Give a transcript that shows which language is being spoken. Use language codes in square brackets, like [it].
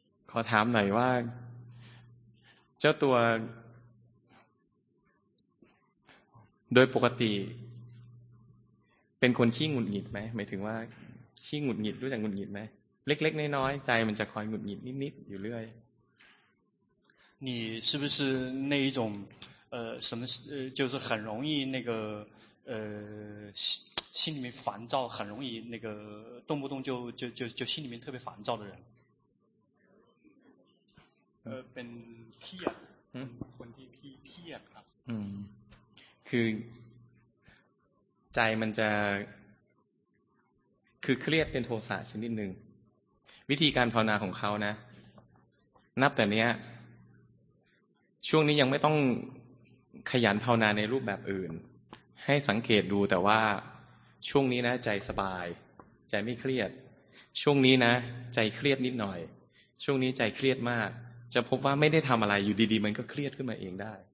[th] ขอถามหน่อยว่าเจ้าตัวโดยปกติเป็นคนขี้หงุดหงิดไหมหมายถึงว่าขี้หงุดหงิดรู้จักหงุดหงิดไหมเล็กๆน้อยๆใจมันจะคอยหงุดหงิดนิดๆอยู่เรื่อย [zh] 你是不是那一种什么就是很容易那个心里面烦躁很容易那个动不动就心里面特别烦躁的人 [th] เป็นเครียดคนที่เครียดครับ คือใจมันจะคือเครียดเป็นโทสะชนิดหนึ่งวิธีการภาวนาของเขานะนับแต่นี้ช่วงนี้ยังไม่ต้องขยันภาวนาในรูปแบบอื่นให้สังเกตดูแต่ว่าช่วงนี้นะใจสบายใจไม่เครียดช่วงนี้นะใจเครียดนิดหน่อยช่วงนี้ใจเครียดมากจะพบว่าไม่ได้ทำอะไรอยู่ดีๆมันก็เครียดขึ้นมาเองได